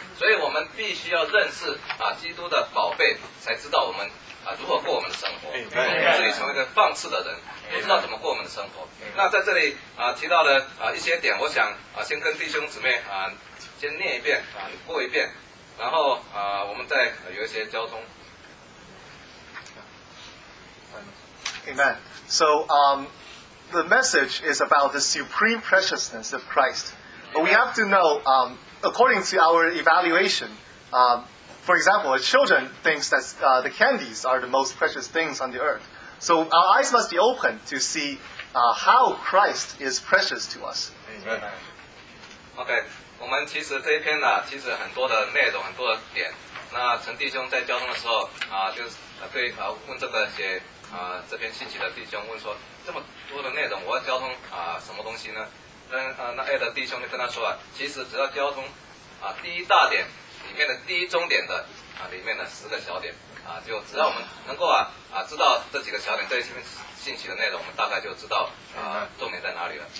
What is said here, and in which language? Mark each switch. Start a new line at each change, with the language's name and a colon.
Chinese: 所以我们必须要认识啊基督的宝贝，才知道我们啊如何过我们的生活，不至于成为一个放肆的人，不知道怎么过我们的生活。那在这里啊提到了啊一些点，我想啊先跟弟兄姊妹啊先念一遍啊过一遍。然后啊、我们再、有一些交通。
English: Amen. So, the message is about the supreme preciousness of Christ. But we have to know, according to our evaluation, for example, children think that the candies are the most precious things on the earth. So our eyes must be open to see how Christ is precious to us. Amen. Okay.
Chinese: 我们其实这一篇呢、啊，其实很多的内容，很多的点。那陈弟兄在交通的时候啊，就是对啊问这个写啊这篇信息的弟兄问说，这么多的内容，我要交通啊什么东西呢？那 A 的弟兄就跟他说啊，其实只要交通啊第一大点里面的第一中点的啊里面的十个小点啊，就只要我们能够啊知道这几个小点这一篇信息的内容，我们大概就知道啊、重点在哪里了。